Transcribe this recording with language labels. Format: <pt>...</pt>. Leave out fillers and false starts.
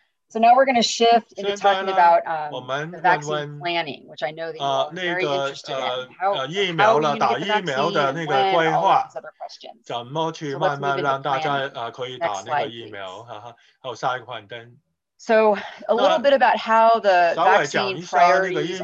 <en>So now we're going to shift into talking about vaccine planning, which I know that you're very interested in. How are you going to get the vaccine, when, all these other questions?</en> <zh>怎么去慢慢让大家可以打那个疫苗？好，下一个幻灯。</zh> <en>So a little bit about how the vaccine priorities are</en>